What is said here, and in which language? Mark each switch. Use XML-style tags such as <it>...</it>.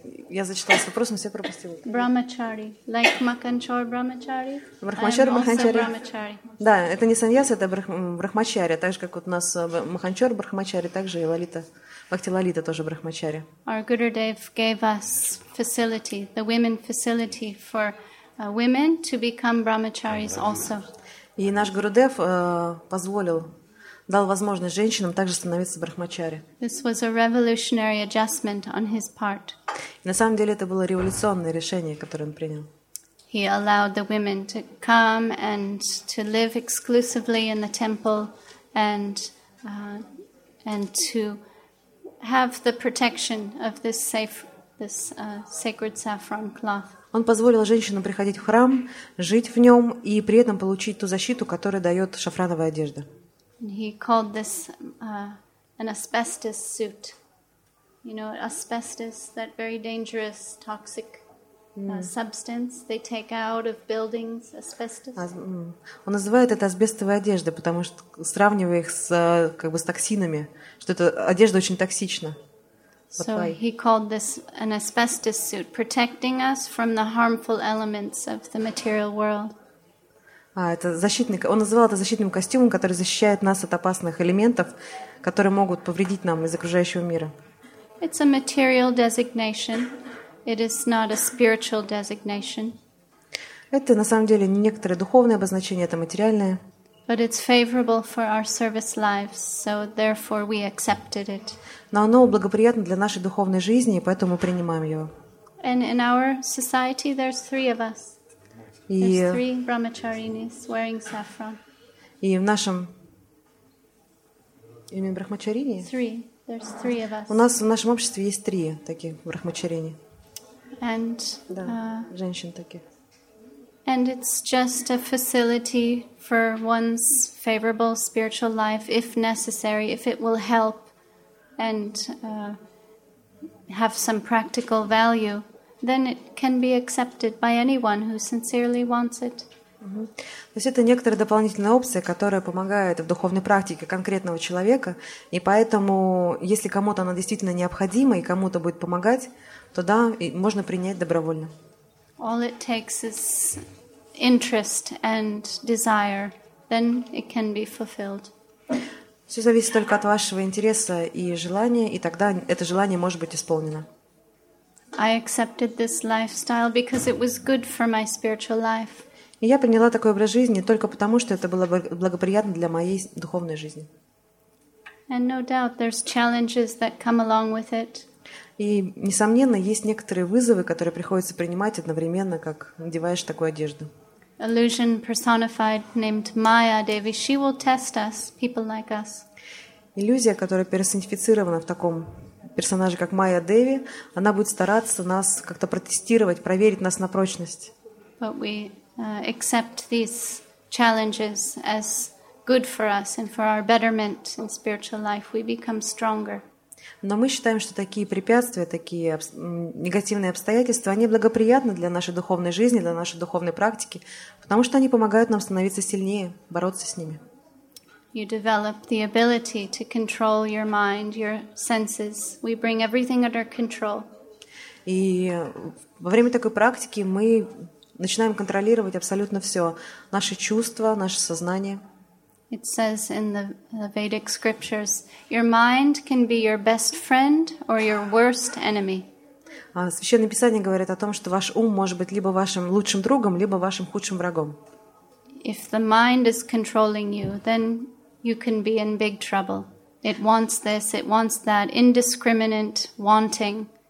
<ru>Я зачиталась вопросом, все пропустила.</ru> <en>Brahmachari. Like makanchor brahmachari? Brahmachari, makanchari.</en> <ru>Да, это не саньяс, это брахмачари. Так же, как вот у нас маханчор брахмачари, так же и Лалита, Бхакти Лалита тоже брахмачари.</ru> <en>Our Gurudev gave us facility, the women facility for women to become brahmacharis also.</en> <ru>И наш Гурудев позволил дал возможность женщинам также становиться брахмачари.</ru> <en>This was a revolutionary adjustment on his part.</en> <ru>На самом деле это было революционное решение, которое он принял.</ru> <en>He allowed the women to come and to live exclusively in the temple and to have the protection of this sacred saffron cloth.</en> <ru>Он позволил женщинам приходить в храм, жить в нем и при этом получить ту защиту, которую дает шафрановая одежда.</ru> <en>And he called this an asbestos suit. You know, asbestos, that very dangerous, toxic substance they take out of buildings, asbestos.</en> <ru>Он называет это асбестовой одеждой, потому что сравнивая их с как бы с токсинами, что эта одежда очень токсична.</ru> <en>So he called this an asbestos suit, protecting us from the harmful elements of the material world.</en> <ru>Это защитный, он называл это защитным костюмом, который защищает нас от опасных элементов, которые могут повредить нам из окружающего мира.</ru> <en>It's a material designation. It is not a spiritual designation.</en> <ru>Это на самом деле некоторое духовное обозначение, это материальное.</ru> <en>But it's favorable for our service lives, so therefore we accepted it.</en> <ru>Но оно благоприятно для нашей духовной жизни, и поэтому мы принимаем его.</ru> <en>And in our society there's three of us. There's three brahmacharinis wearing saffron.</en> <ru>И в нашем имени брахмачарини.</ru> <en>Three. There's three of us.</en> <ru>У нас в нашем обществе есть три таких брахмачарини.</ru> <en>And</en> <ru>женщин таких.</ru> <en>And it's just a facility for one's favorable spiritual life, if necessary, if it will help and have some practical value. Then it can be accepted by anyone who sincerely wants it.</en> <ru>То есть это некоторая дополнительная опция, которая помогает в духовной практике конкретного человека, и поэтому, если кому-то она действительно необходима и кому-то будет помогать, то да, и можно принять добровольно.</ru> <en>All it takes is interest and desire, then it can be fulfilled.</en> <ru>Все зависит только от вашего интереса и желания, и тогда это желание может быть исполнено.</ru> <en>I accepted this lifestyle because it was good for my spiritual life.</en> <ru>И я приняла такой образ жизни только потому, что это было благоприятно для моей духовной жизни.</ru> <en>And no doubt there's challenges that come along with it.</en> <ru>И несомненно, есть некоторые вызовы, которые приходится принимать одновременно, как надеваешь такую одежду.</ru> <en>Illusion personified named Maya Devi, she will test us, people like us.</en> <ru>Иллюзия, которая персонифицирована в таком персонажи, как Майя Деви, она будет стараться нас как-то протестировать, проверить нас на прочность.</ru> <en>But we accept these challenges as good for us and for our betterment in spiritual life. We become stronger.</en> <ru>Но мы считаем, что такие препятствия, такие негативные обстоятельства, они благоприятны для нашей духовной жизни, для нашей духовной практики, потому что они помогают нам становиться сильнее, бороться с ними.</ru> <en>You develop the ability to control your mind, your senses. We bring everything under control.</en> <ru>И во время такой практики мы начинаем контролировать абсолютно все. Наши чувства, наше сознание.</ru> <en>It says in the Vedic scriptures, your mind can be your best friend or your worst enemy.</en> <ru>Священное Писание говорит о том, что ваш ум может быть либо вашим лучшим другом, либо вашим худшим врагом.</ru> <en>If the mind is controlling you, then you can be in big trouble. It wants this, it wants that, indiscriminate wanting.</en>